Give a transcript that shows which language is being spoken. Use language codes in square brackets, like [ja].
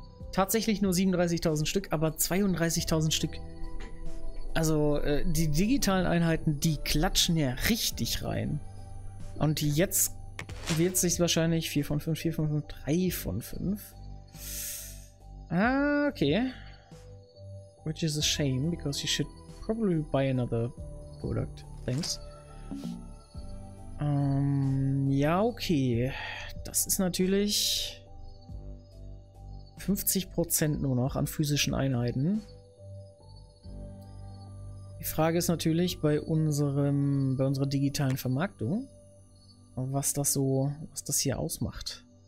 [de] Tatsächlich nur 37.000 Stück, aber 32.000 Stück. Also die digitalen Einheiten, die klatschen ja richtig rein. Und jetzt wird es sich wahrscheinlich 4 von 5, 3 von 5. Ah, okay. [en] Which is a shame, because you should probably buy another product. Thanks. [de] Ja, okay. Das ist natürlich 50% nur noch an physischen Einheiten. Die Frage ist natürlich bei unserer digitalen Vermarktung, was das hier ausmacht.